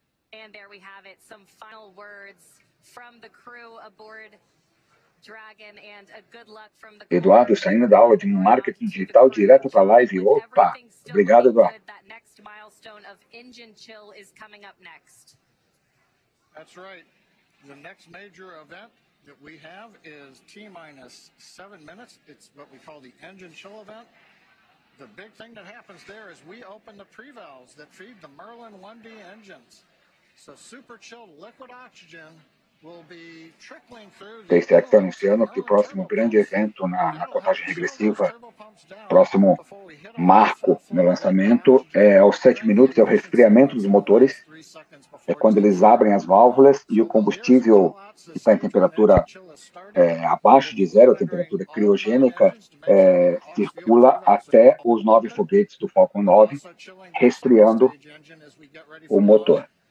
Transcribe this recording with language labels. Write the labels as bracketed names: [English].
[English] And there we have it, some final words from the crew aboard Dragon and a good luck from the [Portuguese] Eduardo saindo da aula de marketing digital direto para a live. Opa, obrigado, Eduardo. [English] That next milestone of engine chill is coming up next. That's right. The next major event that we have is T-minus 7 minutes. It's what we call the engine chill event. The big thing that happens there is we open the pre-valves that feed the Merlin 1B engines. So super chilled liquid oxygen will be trickling through. [Portuguese] The SpaceX está anunciando que o próximo grande evento na contagem regressiva, próximo marco no lançamento, é aos 7 minutos, é o resfriamento dos motores, é quando eles abrem as válvulas e o combustível que está em temperatura abaixo de zero, a temperatura criogênica, circula até os 9 foguetes do Falcon 9, resfriando o motor.